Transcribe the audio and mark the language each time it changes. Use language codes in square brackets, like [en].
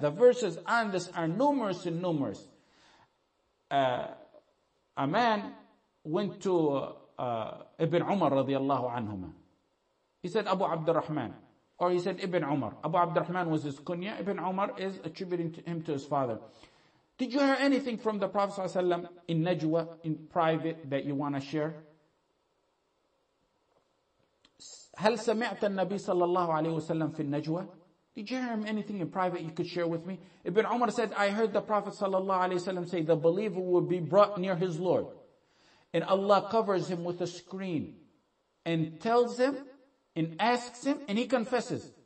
[en] The verses on this are numerous and numerous. A man went to Ibn Umar [ar] رضي الله عنهما. [en] He said, Abu Abdurrahman. Or he said, Ibn Umar. Abu Abdurrahman was his kunya. Ibn Umar is attributing him to his father. Did you hear anything from the Prophet ﷺ in Najwa, in private, that you want to share? [ar] هل سمعت النبي صلى الله عليه وسلم في النجوى? [en] Did you hear him anything in private you could share with me? Ibn Umar said, I heard the Prophet [ar] صلى الله عليه وسلم [en] say, the believer will be brought near his Lord. And Allah covers him with a screen and tells him and asks him and he confesses.